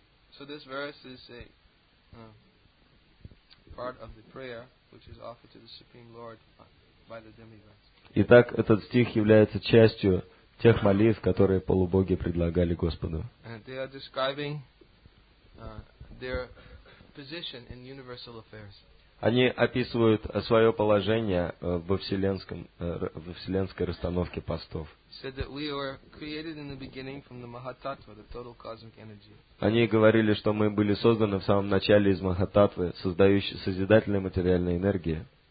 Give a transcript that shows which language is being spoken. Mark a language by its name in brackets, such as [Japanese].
[English] So this verse is a part of the prayer which is offered to the Supreme Lord by the demigods. [Russian] Итак, этот стих является частью тех молитв, которые полубоги предлагали Господу. [English] And they are describing their position in universal affairs. [Russian] Они описывают свое положение во вселенском, во вселенской расстановке постов. Они говорили, что мы были созданы в самом начале из Махататвы, создающей созидательной материальной энергии.